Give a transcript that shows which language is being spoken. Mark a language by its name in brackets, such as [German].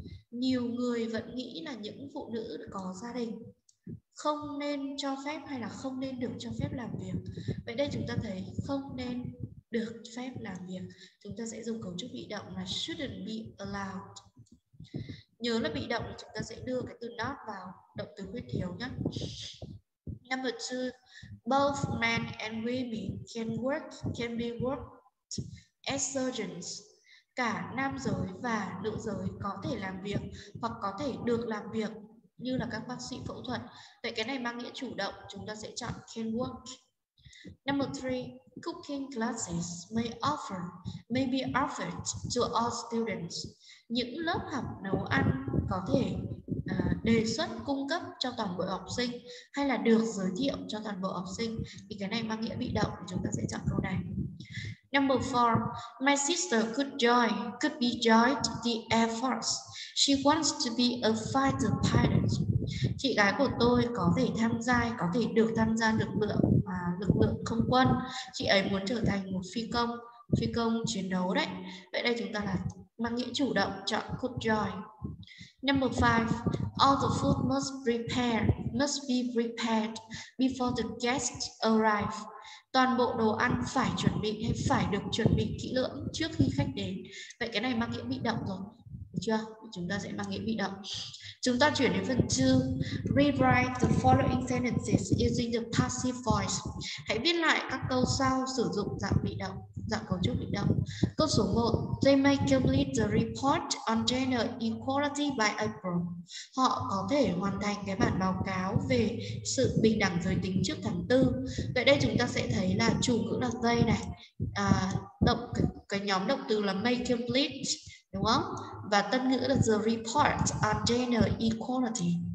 [Vietnamese] Nhiều người vẫn nghĩ là những phụ nữ có gia đình không nên cho phép hay là không nên được cho phép làm việc. Vậy đây chúng ta thấy không nên được phép làm việc, chúng ta sẽ dùng cấu trúc bị động là [English] shouldn't be allowed. [Vietnamese] Nhớ là bị động chúng ta sẽ đưa cái từ not vào động từ khuyết thiếu nhé. [English] Number 2, both men and women can be worked as surgeons. [Vietnamese] Cả nam giới và nữ giới có thể làm việc hoặc có thể được làm việc như là các bác sĩ phẫu thuật. Vậy cái này mang nghĩa chủ động, chúng ta sẽ chọn can work. [English] Number 3, cooking classes may be offered to all students. [Vietnamese] Những lớp học nấu ăn có thể đề xuất cung cấp cho toàn bộ học sinh hay là được giới thiệu cho toàn bộ học sinh, thì cái này mang nghĩa bị động, chúng ta sẽ chọn câu này. [English] Number 4, my sister could be joined the Air Force. She wants to be a fighter pilot. [Vietnamese] Chị gái của tôi có thể được tham gia lực lượng không quân. Chị ấy muốn trở thành một phi công chiến đấu đấy. Vậy đây chúng ta là mang nghĩa chủ động, chọn could join. [English] Number 5, all the food must be prepared before the guests arrive. [Vietnamese] Toàn bộ đồ ăn phải được chuẩn bị kỹ lưỡng trước khi khách đến. Vậy cái này mang nghĩa bị động rồi, được chưa? Chúng ta sẽ mang nghĩa bị động. Chúng ta chuyển đến phần 2. [English] Rewrite the following sentences using the passive voice. [Vietnamese] Hãy viết lại các câu sau sử dụng dạng bị động, dạng cấu trúc bị động. Câu số 1, [English] they may complete the report on gender equality by April. [Vietnamese] Họ có thể hoàn thành cái bản báo cáo về sự bình đẳng giới tính trước tháng 4. Vậy đây chúng ta sẽ thấy là chủ ngữ là they này. Cái nhóm động từ là may complete, đúng không? Và tân ngữ là [English] the report on gender equality.